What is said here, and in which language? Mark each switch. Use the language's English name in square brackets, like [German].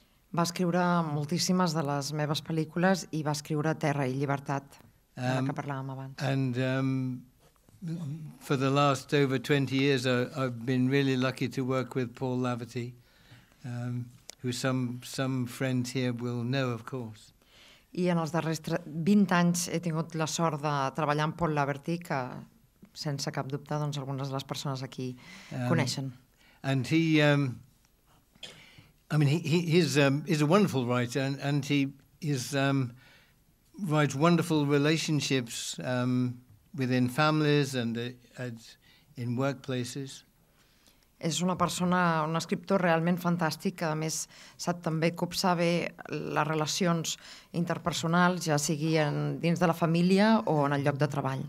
[Catalan] Va escriure moltíssimes de les meves pel·lícules i va escriure Terra i Llibertat, de la que parlàvem abans. [English] And for the last over 20 years I've been really lucky to work with Paul Laverty, who some friends here will know, of course. [Catalan] I en els darrers 20 anys he tingut la sort de treballar amb Paul Laverty, que sense cap dubte doncs algunes de les persones aquí coneixen. [English] And he he's a wonderful writer, and he is writes wonderful relationships within families and in workplaces. [Catalan] És una persona, un escriptor realment fantàstic, que a més sap també copsar bé les relacions interpersonals, ja sigui dins de la família o en el lloc de treball.